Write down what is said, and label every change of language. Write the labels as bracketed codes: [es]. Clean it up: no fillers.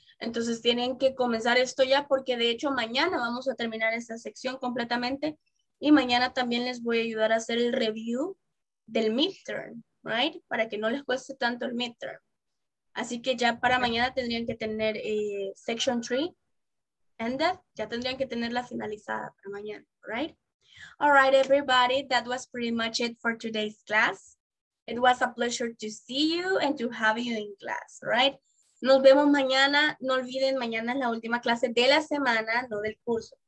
[es] Entonces tienen que comenzar esto ya porque de hecho mañana vamos a terminar esta sección completamente y mañana también les voy a ayudar a hacer el review del midterm, right? Para que no les cueste tanto el midterm. Así que ya para mañana tendrían que tener [en] section 3 ended, [es] ya tendrían que tenerla finalizada para mañana, right? [en] All right, everybody, that was pretty much it for today's class. It was a pleasure to see you and to have you in class, right? [es] Nos vemos mañana. No olviden, mañana es la última clase de la semana, no del curso.